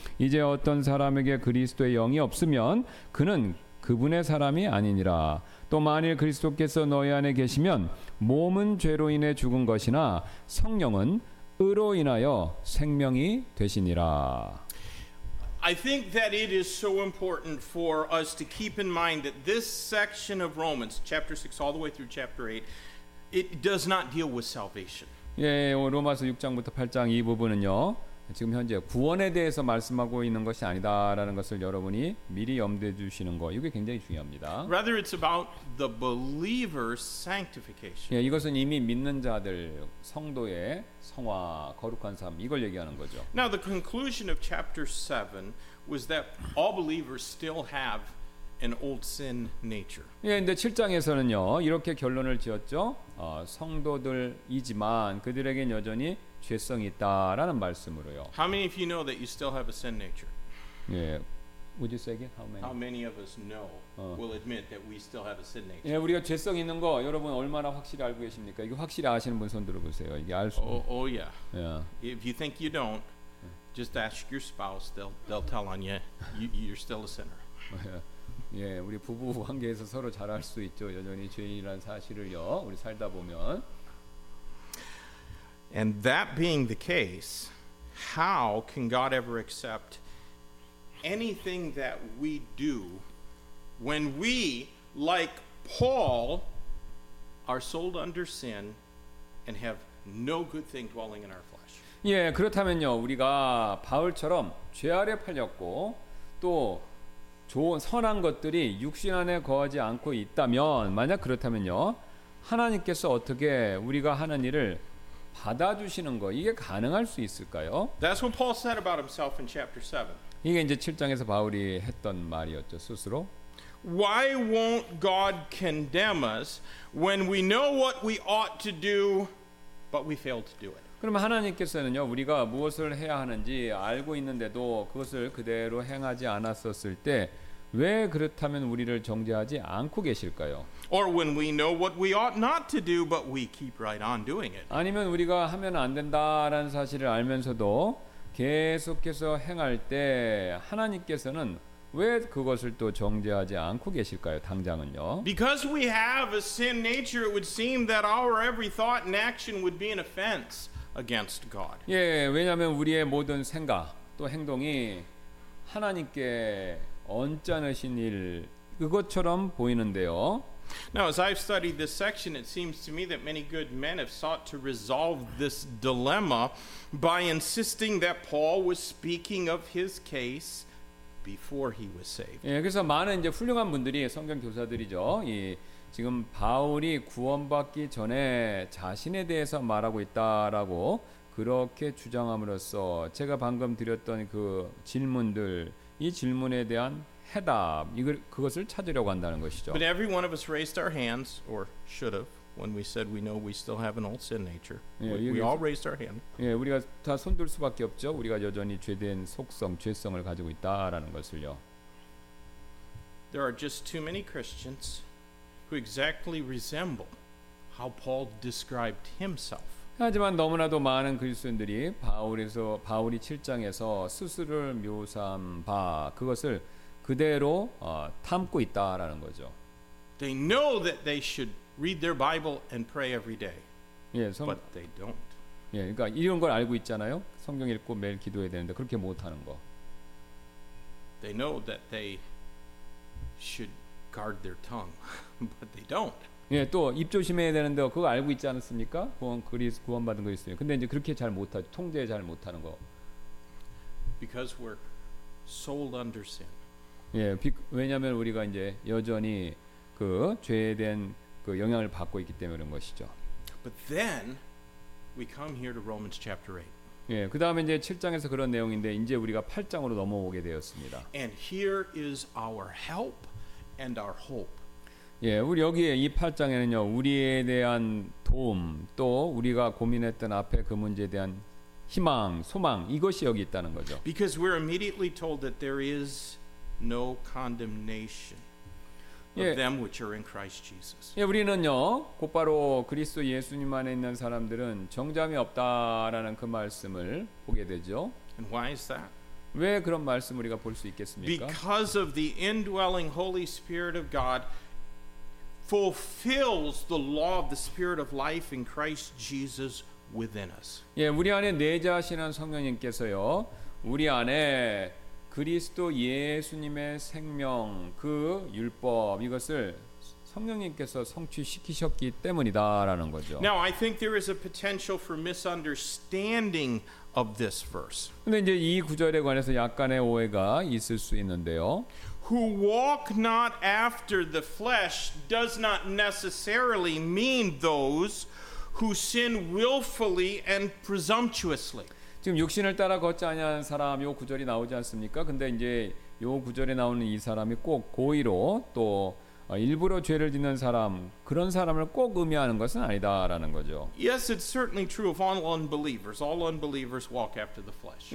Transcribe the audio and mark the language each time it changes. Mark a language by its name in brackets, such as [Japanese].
[Korean] 이제 어떤 사람에게 그리스도의 영이 없으면 그는 그분의 사람이 아니니라. 또 만일 그리스도께서 너희 안에 계시면 몸은 죄로 인해 죽은 것이나 성령은 의로 인하여 생명이 되시니라. [English] I think that it is so important for us to keep in mind that this section of Romans, chapter 6 all the way through chapter 8, it does not deal with salvation. [Korean] 예, 로마서 6장부터 8장 이 부분은요, 지금 현재 구원에 대해서 말씀하고 있는 것이 아니다라는 것을 여러분이 미리 염두에 두시는 거, 이게 굉장히 중요합니다. [English] Rather, it's about the believer's sanctification. [Korean] 예, 이것은 이미 믿는 자들 성도의 성화, 거룩한 삶, 이걸 얘기하는 거죠. [English] Now, the conclusion of chapter 7 was that all believers still have an old sin nature. [Korean] 예, 근데 7장에서는요 이렇게 결론을 지었죠. 성도들이지만 그들에겐 여전히 죄성이 있다라는 말씀으로요. [English] How many of you know that you still have a sin nature? 예, would you say again? How many? How many of us know? Will admit that we still have a sin nature. [Korean] 예, 우리가 죄성 있는 거 여러분 얼마나 확실히 알고 계십니까? 이거 확실히 아시는 분 손 들어보세요. 이게 알 수. [English] Oh yeah. Yeah. If you think you don't, just ask your spouse. They'll tell on you. You're still a sinner. [Korean] 예, 우리 부부 관계에서 서로 잘 알 수 있죠. 여전히 죄인이라는 사실을요. 우리 살다 보면. [English] And that being the case, how can God ever accept anything that we do when we, like Paul, are sold under sin and have no good thing dwelling in our flesh? [Korean] 예, 그렇다면요, 우리가 바울처럼 죄 아래 팔렸고 또 좋은 선한 것들이 육신 안에 거하지 않고 있다면, 만약 그렇다면요, 하나님께서 어떻게 우리가 하는 일을 받아주시는 거, 이게 가능할 수 있을까요? [English] That's what Paul said about himself in chapter 7. [Korean] 이게 이제 7장에서 바울이 했던 말이었죠, 스스로. [English] Why won't God condemn us when we know what we ought to do, but we fail to do it? [Korean] 그러면 하나님께서는요, 우리가 무엇을 해야 하는지 알고 있는데도 그것을 그대로 행하지 않았었을 때 왜 그렇다면 우리를 정죄하지 않고 계실까요? [English] Or when we know what we ought not to do, but we keep right on doing it. [Korean] 아니면 우리가 하면 안 된다라는 사실을 알면서도 계속해서 행할 때 하나님께서는 왜 그것을 또 정죄하지 않고 계실까요? 당장은요. [English] Because we have a sin nature, it would seem that our every thought and action would be an offense against God. [Korean] 예, 왜냐하면 우리의 모든 생각 또 행동이 하나님께 언짢으신 일 그것처럼 보이는데요. [English] Now, as I've studied this section, it seems to me that many good men have sought to resolve this dilemma by insisting that Paul was speaking of his case before he was saved. [Korean] 예, 그래서 많은 이제 훌륭한 분들이 성경 교사들이죠. 이 지금 바울이 구원받기 전에 자신에 대해서 말하고 있다라고 그렇게 주장함으로써 제가 방금 드렸던 그 질문들. 이 질문에 대한 해답, 이걸 그것을 찾으려고 한다는 것이죠. [English] But every one of us raised our hands, or should have, when we said we know we still have an old sin nature. [Korean] 예, [English] we all raised our hand. [Korean] 예, 우리가 다 손들 수밖에 없죠. 우리가 여전히 죄된 속성, 죄성을 가지고 있다라는 것을요. [English] There are just too many Christians who exactly resemble how Paul described himself. [Korean] 하지만 너무나도 많은 그리스도인들이 바울이 7장에서 스스로를 묘사한 바 그것을 그대로 탐고 있다라는 거죠. [English] They know that they should read their Bible and pray every day. 예, but they don't. [Korean] 예, 그러니까 이런 걸 알고 있잖아요. 성경 읽고 매일 기도해야 되는데 그렇게 못 하는 거. [English] They know that they should guard their tongue, but they don't. [Korean] 예, 또 입 조심해야 되는데 그거 알고 있지 않습니까? 구원 그리스 구원 받은 거 있어요. 근데 이제 그렇게 잘 못 하죠. 통제 잘 못 하는 거. [English] Because we're sold under sin. [Korean] 예, 왜냐면 우리가 이제 여전히 그 죄에 대한 그 영향을 받고 있기 때문에 그런 것이죠. [English] But then we come here to Romans chapter 8. [Korean] 예, 그다음에 이제 7장에서 그런 내용인데 이제 우리가 8장으로 넘어오게 되었습니다. [English] And here is our help and our hope. [Korean] 예, 우리 여기에 이 8장에는요 우리에 대한 도움 또 우리가 고민했던 앞에 그 문제에 대한 희망, 소망 이것이 여기 있다는 거죠. [English] Because we're immediately told that there is no condemnation of them which are in Christ Jesus. [Korean] 예, 우리는요 곧바로 그리스도 예수님 안에 있는 사람들은 정죄함이 없다라는 그 말씀을 보게 되죠. [English] And why is that? [Korean] 왜 그런 말씀 우리가 볼 수 있겠습니까? [English] Because of the indwelling Holy Spirit of God. Fulfills the law of the Spirit of life in Christ Jesus within us. [Korean] 예, 우리 안에 내주하시는 성령님께서요, 우리 안에 그리스도 예수님의 생명 그 율법 이것을 성령님께서 성취시키셨기 때문이다라는 거죠. [English] Now I think there is a potential for misunderstanding of this verse. [Korean] 근데 이제 이 구절에 관해서 약간의 오해가 있을 수 있는데요. [English] Who walk not after the flesh does not necessarily mean those who sin willfully and presumptuously. [Korean] 지금 육신을 따라 걷지 아니하는 사람 요 구절이 나오지 않습니까? 근데 이제 요 구절에 나오는 이 사람이 꼭 고의로 또 일부러 죄를 짓는 사람 그런 사람을 꼭 의미하는 것은 아니다라는 거죠. [English] Yes, it's certainly true of all unbelievers. All unbelievers walk after the flesh.